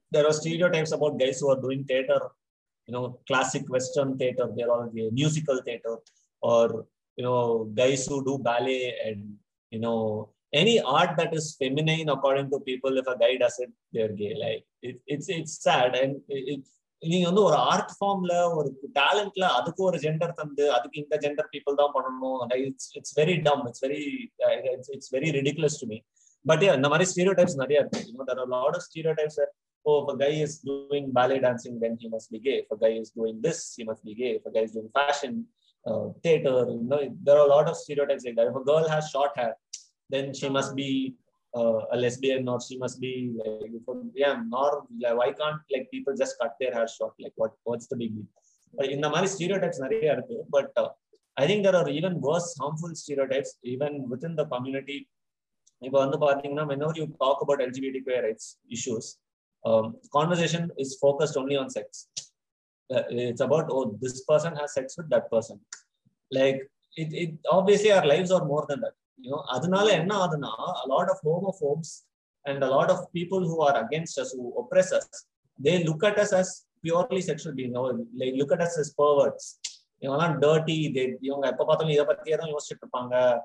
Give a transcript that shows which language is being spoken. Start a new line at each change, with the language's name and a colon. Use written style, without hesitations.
English: There are stereotypes about guys who are doing theater, classic Western theater, they're all gay, musical theater, or guys who do ballet and, any art that is feminine, according to people, if a guy does it, they're gay. Like, it's sad. And it,
Tamil: நீங்க வந்து ஒரு art ஃபார்ம்ல ஒரு டேலண்ட்ல அதுக்கு ஒரு gender தந்து அதுக்கு இந்த ஜெண்டர் பீப்புள் தான் பண்ணணும்,
English: It's very dumb, it's very ridiculous to me.
Tamil: But இந்த மாதிரி ஸ்டீரியோடைப்ஸ் நிறைய இருக்கு.
English: You know there are lot of stereotypes. Oh, if a guy is doing ballet dancing then he must be gay. If a guy is doing this he must be gay. If a guy is doing fashion theatre, you know there are lot of stereotypes like that. If a girl has short hair then she must be a lesbian, or she must be like, yeah, nor like, why can't like people just cut their hair short, like what's the big deal? But in the many stereotypes
Tamil: nariya irukku,
English: but I think there are even worse harmful stereotypes even within the community.
Tamil: Ipo vandu paathina
English: whenever you talk about LGBT queer rights issues, conversation is focused only on sex. It's about, oh, this person has sex with that person. Like it obviously our lives are more than that. You know,
Tamil: அதனால என்ன ஆகுதுன்னா,
English: a lot of homophobes and a lot of people who are against us, who oppress us, they look at us as purely sexual beings. They look at us as perverts.
Tamil: இவங்கெல்லாம் dirty, இவங்க எப்ப பார்த்தாலும் இதை பத்தியே தான் யோசிச்சுட்டு இருப்பாங்க.